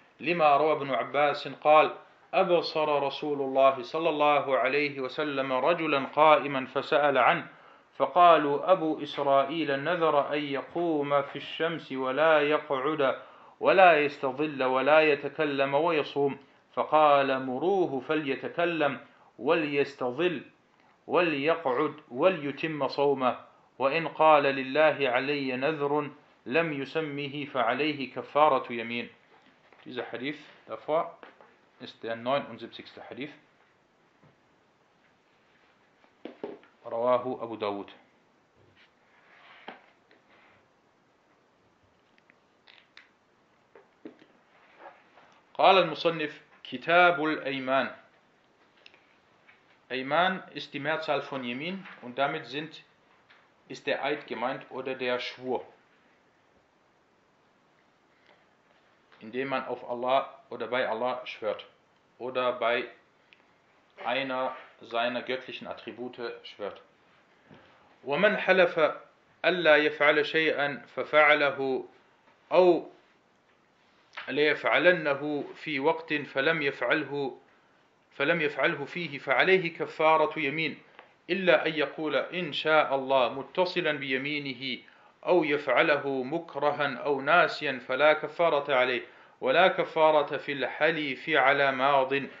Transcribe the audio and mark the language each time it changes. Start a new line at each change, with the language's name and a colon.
Arabic: لما روى ابن عباس قال أبصر رسول الله صلى الله عليه وسلم رجلا قائما فسأل عنه فقالوا أبو إسرائيل نذر أن يقوم في الشمس ولا يقعد ولا يستظل ولا يتكلم ويصوم فقال مروه فليتكلم وليستظل وليقعد وليتم صومه وإن قال لله علي نذر لم يسمه فعليه كفارة يمين.
German: Dieser Hadith davor ist der 79. Hadith.
Arabic: Rawahu Abu Dawud. Qala al-Musannif Kitabul Ayman.
German: Ayman ist die Mehrzahl von Yemin und damit ist der Eid gemeint oder der Schwur, indem man auf Allah oder bei Allah schwört oder bei einer seiner göttlichen Attribute schwört.
Arabic: ومن حلف ألا يفعل شيئا ففعله أو ليفعلنه في وقت فلم يفعله فيه فعليه كفارة يمين إلا أن يقول إن شاء الله متصلا بيمينه أو يفعله مكرها أو ناسيا فلا كفارة عليه ولا كفارة في الحليف على ماض